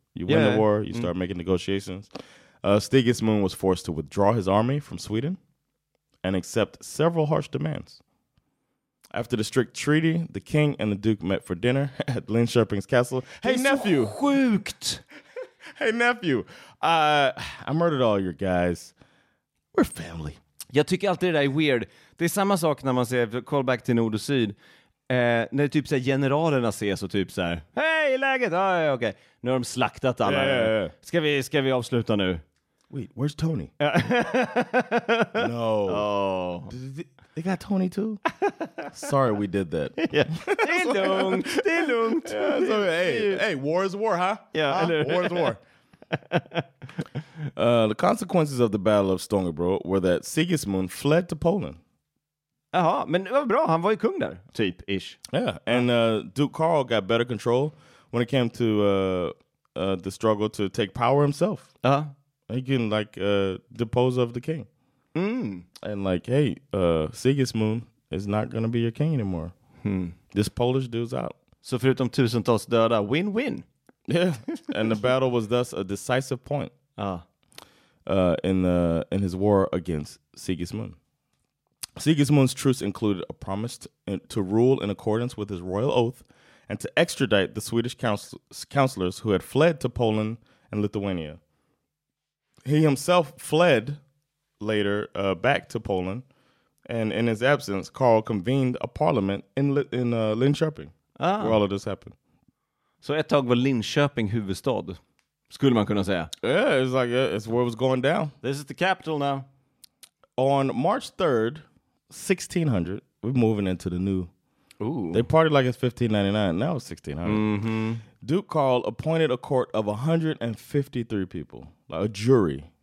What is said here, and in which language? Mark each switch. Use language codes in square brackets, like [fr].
[en] You win the war, you start making negotiations. Sigismund was forced to withdraw his army from Sweden and accept several harsh demands. After the strict treaty, the king and the duke met for dinner at Linköping's castle. Hey, nephew! [sv] Sjukt. [en] Hey, nephew! I murdered all your guys. We're family. [sv] Jag tycker alltid det där är weird. Det är samma sak när man säger callback till nord och syd. När typ så här generalerna ses och typ så här, hey, läget! Ah, okej, okay. Nu har de slaktat alla. [en] Yeah. [sv] Ska vi avsluta nu? [en] Wait, where's Tony? No. Oh. They got Tony too? Sorry we did that. [sv] Yeah. Det är lugnt. [en] Yeah, so, hey, war is war, huh? Yeah. Huh? War is war. The consequences of the Battle of Stångebro were that Sigismund fled to Poland. [sv] Jaha, men det var bra. Han var ju kung där, typ-ish. [en] Yeah, and Duke Carl got better control when it came to the struggle to take power himself. Uh-huh. He can, like, depose of the king. Mm. And like, hey, Sigismund is not gonna be your king anymore. Hmm. This Polish dude's out. [sv] Så förutom tusentals döda, win-win. [en] Yeah, and the battle was thus a decisive point in his war against Sigismund. Sigismund's truce included a promise to rule in accordance with his royal oath and to extradite the Swedish counselors who had fled to Poland and Lithuania. He himself fled later back to Poland, and in his absence, Carl convened a parliament in Linköping, where all of this happened. [sv] Så ett tag var Linköping huvudstad, skulle man kunna säga. [en] Yeah, it's like it's where it was going down. This is the capital now. On March 3rd, 1600, we're moving into the new. Ooh. They partied like it's 1599. Now it's 1600. Mm-hmm. Duke Carl appointed a court of 153 people, like a jury.